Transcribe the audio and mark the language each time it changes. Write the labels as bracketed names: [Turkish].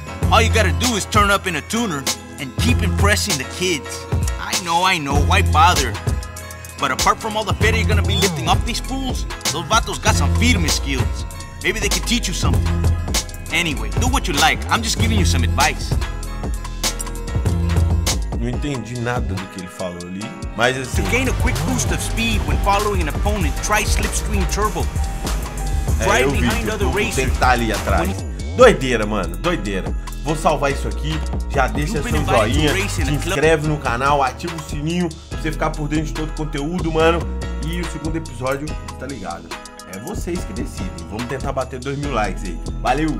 [English] All you gotta do is turn up in a tuner and keep impressing the kids. I know. Why bother? But apart from all the fetter you're gonna be lifting up these fools, those vatos got some firme skills. Maybe they can teach you something. Anyway, do what you like. I'm just giving you some advice. [Portuguese] Não entendi nada do que ele falou ali, mas assim... [English] To gain a quick boost of speed when following an opponent, try slipstream turbo. [Portuguese] Eu vi, tem que estar ali atrás. Doideira, mano, doideira. Vou salvar isso aqui, já deixa seu joinha, se inscreve no canal, ativa o sininho pra você ficar por dentro de todo o conteúdo, mano. E o segundo episódio, tá ligado? É vocês que decidem. Vamos tentar bater 2000 likes aí. Valeu!